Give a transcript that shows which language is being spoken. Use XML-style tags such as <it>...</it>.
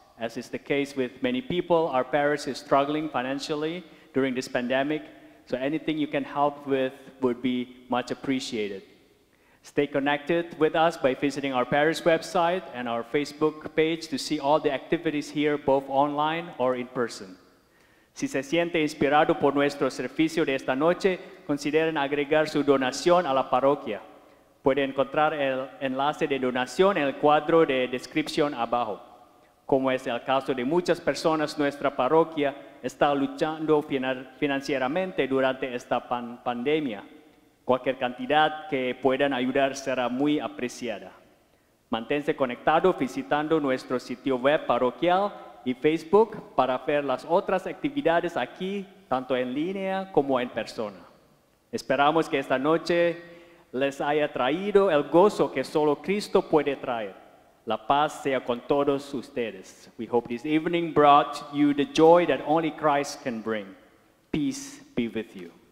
<en>As is the case with many people, our parish is struggling financially during this pandemic, so anything you can help with would be much appreciated. Stay connected with us by visiting our parish website and our Facebook page to see all the activities here, both online or in person.</en> <es>Si se siente inspirado por nuestro servicio de esta noche, consideren agregar su donación a la parroquia. Puede encontrar el enlace de donación en el cuadro de descripción abajo. Como es el caso de muchas personas, nuestra parroquia está luchando financieramente durante esta pandemia. Cualquier cantidad que puedan ayudar será muy apreciada. Manténse conectado visitando nuestro sitio web parroquial y Facebook para ver las otras actividades aquí, tanto en línea como en persona. Esperamos que esta noche les haya traído el gozo que solo Cristo puede traer. La paz sea con todos ustedes.</es> <en>We hope this evening brought you the joy that only Christ can bring. Peace be with you.</en>